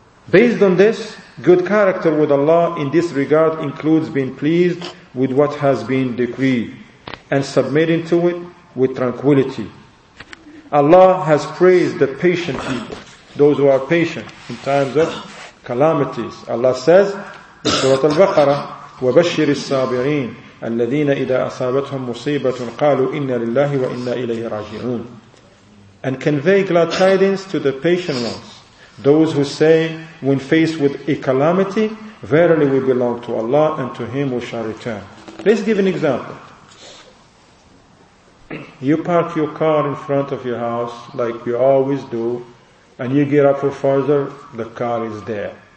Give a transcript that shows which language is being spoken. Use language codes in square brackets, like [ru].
[en] Based on this, good character with Allah in this regard includes being pleased with what has been decreed and submitting to it with tranquility. Allah has praised the patient people, those who are patient in times of calamities. Allah says in Surah Al-Baqarah, [ar] وَبَشِّرِ السَّابِرِينَ الَّذِينَ إِذَا أَصَابَتْهُمْ مُصِيبَةٌ قَالُوا إِنَّا لِلَّهِ وَإِنَّا إِلَيْهِ رَاجِعُونَ. [en] And convey glad tidings to the patient ones, those who say, when faced with a calamity, verily we belong to Allah and to Him we shall return. Let's give an example. You park your car in front of your house like you always do, and you get up for further, the car is there.